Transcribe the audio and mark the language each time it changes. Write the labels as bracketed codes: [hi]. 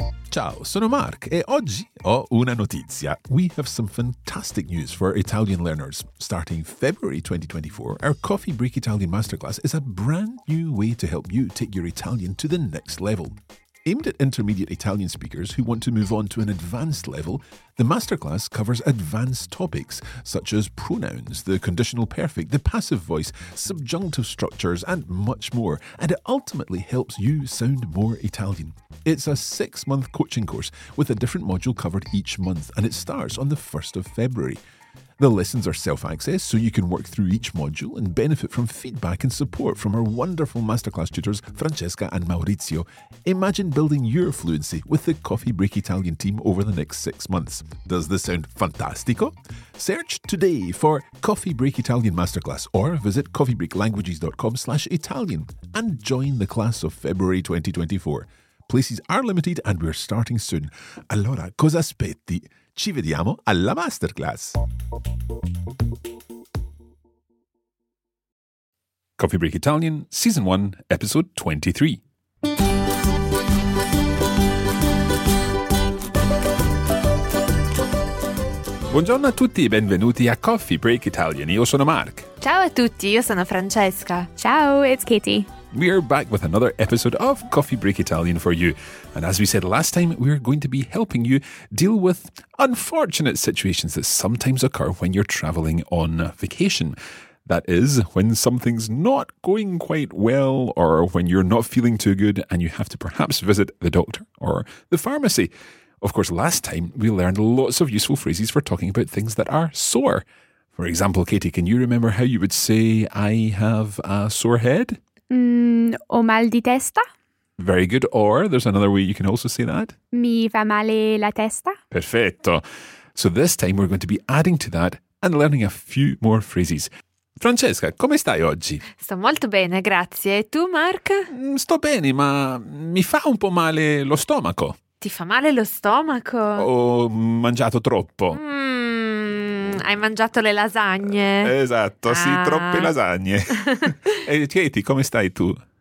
[it] Ciao, sono Mark e oggi ho una notizia. [en] We have some fantastic news for Italian learners. Starting February 2024, our Coffee Break Italian Masterclass is a brand new way to help you take your Italian to the next level. Aimed at intermediate Italian speakers who want to move on to an advanced level, the masterclass covers advanced topics such as pronouns, the conditional perfect, the passive voice, subjunctive structures, and much more, and it ultimately helps you sound more Italian. It's a six-month coaching course with a different module covered each month, and it starts on the 1st of February. The lessons are self-access, so you can work through each module and benefit from feedback and support from our wonderful masterclass tutors, Francesca and Maurizio. Imagine building your fluency with the Coffee Break Italian team over the next 6 months. Does this sound fantastico? Search today for Coffee Break Italian Masterclass or visit coffeebreaklanguages.com/Italian and join the class of February 2024. Places are limited and we're starting soon. [it] Allora, cosa aspetti? Ci vediamo alla masterclass. [en] Coffee Break Italian, Season 1, Episode 23. [it] Buongiorno a tutti e benvenuti a Coffee Break Italian. Io sono Mark. Ciao a tutti, io sono Francesca. [en] Ciao, it's Katie. We are back with another episode of Coffee Break Italian for you. And as we said last time, we are going to be helping you deal with unfortunate situations that sometimes occur when you're traveling on vacation. That is, when something's not going quite well or when you're not feeling too good and you have to perhaps visit the doctor or the pharmacy. Of course, last time we learned lots of useful phrases for talking about things that are sore. For example, Katie, can you remember how you would say, I have a sore head? [it] Ho mal di testa. [en] Very good. Or there's another way you can also say that. [it] Mi fa male la testa. Perfetto. [en] So this time we're going to be adding to that and learning a few more phrases. [it] Francesca, come stai oggi? Sto molto bene, grazie. E tu, Mark? Sto bene, ma mi fa un po' male lo stomaco. Ti fa male lo stomaco? Ho mangiato troppo. Hai mangiato le lasagne. Esatto, sì, troppe lasagne. E Katie, come stai tu?